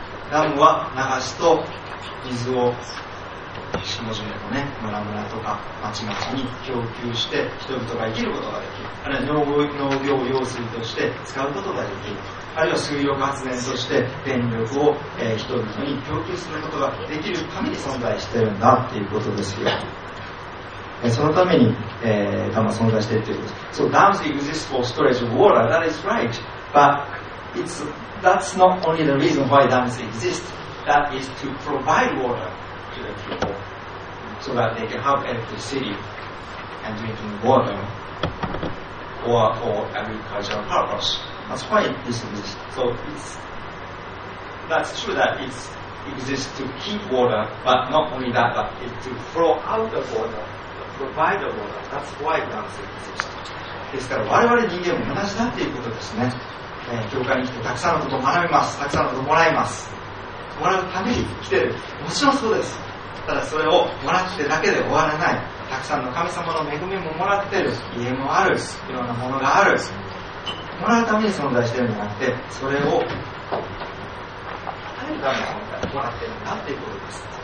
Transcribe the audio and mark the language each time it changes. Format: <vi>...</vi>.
<ja>ダムは流しと水を下々とね、村々とか町々に供給して、人々が生きることができる、あるいは農業用水として使うことができる、あるいは水力発電として電力を人々に供給することができるために存在してるんだっていうことですよ。そのためにダムは存在してるっていうことです。</ja> <en>So dams exist for storage of water, that is right, butIt's, that's not only the reason why dams exist. That is to provide water to the people so that they can have electricity and drinking water or for agricultural purpose. That's why it exists. So it's, that's true that it exists to keep water, but not only that, but it's to flow out the water, provide the water. That's why dams exist.</en> <ja>ですから我々人間も同じだということですね。教会に来てたくさんのことを学びます、たくさんのことをもらいます、もらうために来てる、もちろんそうです。ただそれをもらってだけで終わらない、たくさんの神様の恵みももらってる、家もある、いろんなものがある、もらうために存在してるんじゃなくて、それを与えるためにもらってるんだっていうことです。</ja>